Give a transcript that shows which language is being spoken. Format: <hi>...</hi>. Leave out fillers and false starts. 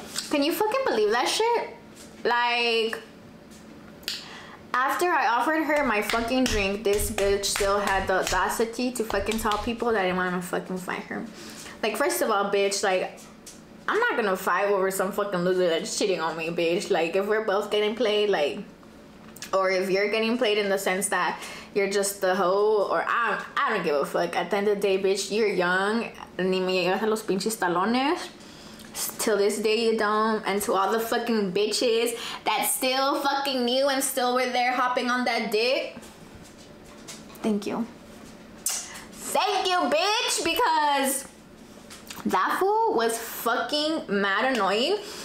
<en>Can you fucking believe that shit? Like, after I offered her my fucking drink, this bitch still had the audacity to fucking tell people that I didn't want to fucking fight her. Like, first of all, bitch, like, I'm not gonna fight over some fucking loser that's cheating on me, bitch. Like, if we're both getting played, like, or if you're getting played in the sense that you're just the hoe, or I don't give a fuck. At the end of the day, bitch, you're young.</en> <es>Ni me llegas a los pinches talones.</es> <en>Till this day you don't. And to all the fucking bitches that still fucking knew and still were there hopping on that dick, thank you bitch, because that fool was fucking mad annoying.</en>